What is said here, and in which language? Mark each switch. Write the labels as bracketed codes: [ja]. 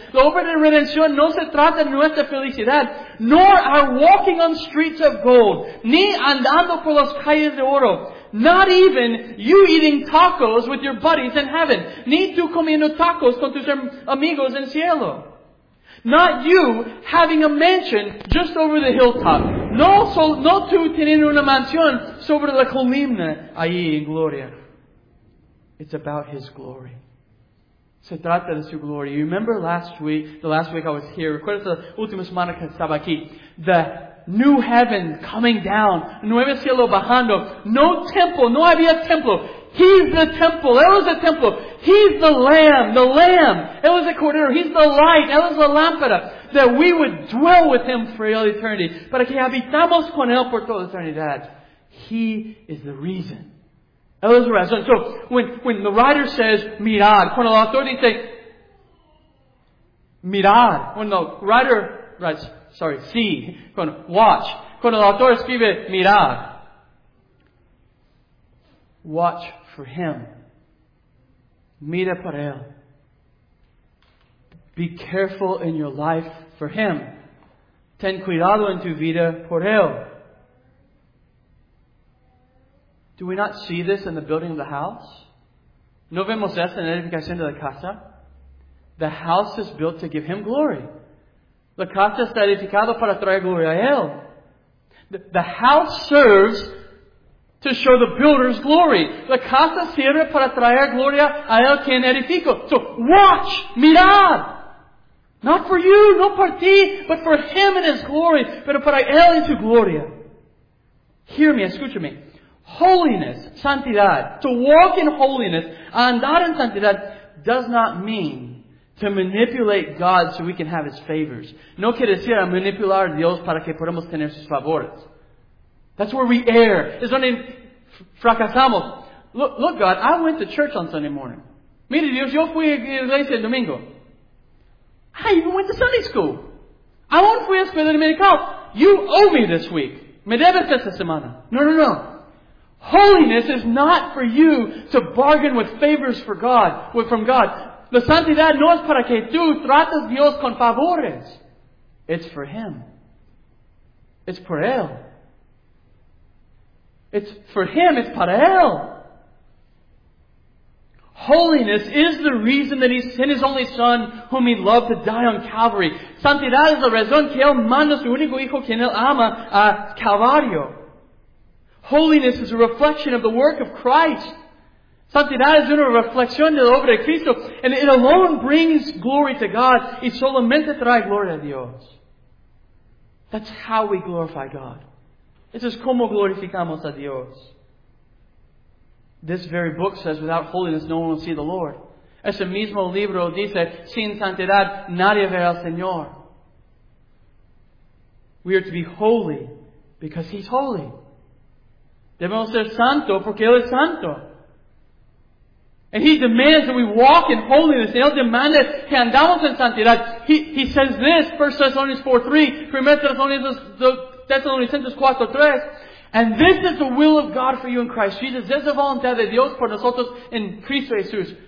[es] La obra de redención no se trata de nuestra felicidad, [en] nor our walking on streets of gold, [es] ni andando por las calles de oro, [en] not even you eating tacos with your buddies in heaven, [es] ni tú comiendo tacos con tus amigos en cielo. [en] Not you having a mansion just over the hilltop. [es] No tú teniendo una mansión sobre la colina allí en gloria. [en] It's about His glory. [es] Se trata de su gloria. [en] You remember the last week I was here. [es] Recuerda la última semana que estaba aquí. [en] The new heaven coming down. [es] Nuevo cielo bajando. [en] No temple. [es] No había templo. [en] He's the temple. [es] Él es el templo. [en] He's the lamb. The lamb. [es] Él es el cordero. [en] He's the light. [es] Él es la lámpara. [en] That we would dwell with Him for all eternity. [es] Para que habitamos con Él por toda eternidad. [en] He is the reason. [es] Él es la razón. [en] So, when the writer says, mirad. [es] Cuando el autor dice, mirad. [en] When the writer writes, sorry, see. Cuando, watch. [es] Cuando el autor escribe, mirad. [en] Watch for Him. [es] Mira para Él. [en] Be careful in your life for Him. [es] Ten cuidado en tu vida por Él. [en] Do we not see this in the building of the house? [es] ¿No vemos esto en la edificación de la casa? [en] The house is built to give Him glory. [es] La casa está edificada para traer gloria a Él. [en] The house serves to show the builder's glory. [es] La casa sirve para traer gloria a Él quien edifico. [en] So watch, mirad. Not for you, [es] no para ti, [en] but for Him and His glory. [es] Pero para Él y su gloria. [en] Hear me, [es] escúchame. [en] Holiness, santidad, to walk in holiness, [es] andar en santidad, [en] does not mean to manipulate God so we can have His favors. [es] No quiere decir a manipular a Dios para que podamos tener sus favores. [en] That's where we err. [es] Es donde fracasamos. [en] Look, God, I went to church on Sunday morning. [es] Mire Dios, yo fui a iglesia el domingo. [en] I even went to Sunday school. I won't [es] fui a escuela dominical. [en] You owe me this week. [es] Me debes esta semana. [en] No. Holiness is not for you to bargain with favors for God, from God. [es] La santidad no es para que tú trates Dios con favores. [en] It's for Him. It's por Él. It's for Him, it's para Él. Holiness is the reason that He sent His only Son, whom He loved, to die on Calvary. [es] Santidad es la razón que Él manda su único hijo, quien Él ama, a Calvario. [en] Holiness is a reflection of the work of Christ. [es] Santidad es una reflexión de la obra de Cristo. [en] And it alone brings glory to God. [es] Y solamente trae gloria a Dios. [en] That's how we glorify God. [es] Eso es como glorificamos a Dios. [en] This very book says, without holiness, no one will see the Lord. [es] Ese mismo libro dice, sin santidad, nadie verá al Señor. [en] We are to be holy because He's holy. [es] Debemos ser santo porque Él es santo. [en] And He demands that we walk in holiness. [es] Él demanda que andamos en santidad. [en] He says this, 1 Thessalonians 4:3, 1 Thessalonians 4:3, and this is the will of God for you in Christ Jesus. [es] Es la voluntad de Dios por nosotros en Cristo Jesús.